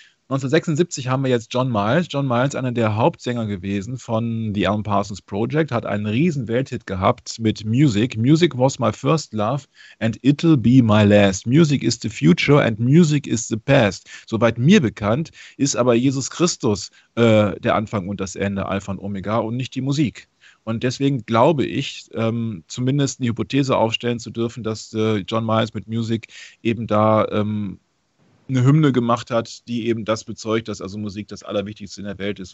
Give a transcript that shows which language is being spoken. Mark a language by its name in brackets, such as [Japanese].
[German] 1976 haben wir jetzt John Miles. John Miles, einer der Hauptsänger gewesen von The Alan Parsons Project, hat einen riesen Welthit gehabt mit Music. [English] Music was my first love and it'll be my last. Music is the future and music is the past. [German] Soweit mir bekannt, ist aber Jesus Christus der Anfang und das Ende, Alpha und Omega und nicht die Musik. Und deswegen glaube ich, zumindest eine Hypothese aufstellen zu dürfen, dass John Miles mit Music eben da eine Hymne gemacht hat, die eben das bezeugt, dass also Musik das Allerwichtigste in der Welt ist.